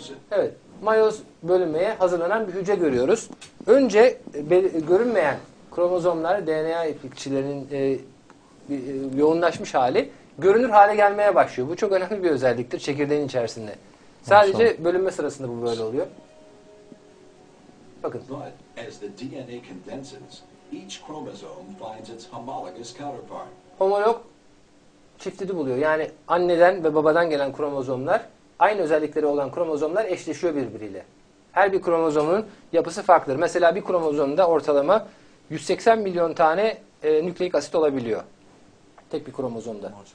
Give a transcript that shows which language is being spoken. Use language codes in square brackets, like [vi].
[tr] Evet, mayoz bölünmeye hazırlanan bir hücre görüyoruz. Önce görünmeyen kromozomlar, DNA ipliklerinin yoğunlaşmış hali görünür hale gelmeye başlıyor. Bu çok önemli bir özelliktir çekirdeğin içerisinde. Sadece bölünme sırasında bu böyle oluyor. Bakın. [en] But as the DNA condenses, each chromosome finds its homologous counterpart. [tr] Homolog çiftini buluyor. Yani anneden ve babadan gelen kromozomlar, aynı özellikleri olan kromozomlar eşleşiyor birbiriyle. Her bir kromozomun yapısı farklıdır. Mesela bir kromozomda ortalama 180 milyon tane nükleik asit olabiliyor. Tek bir kromozomda.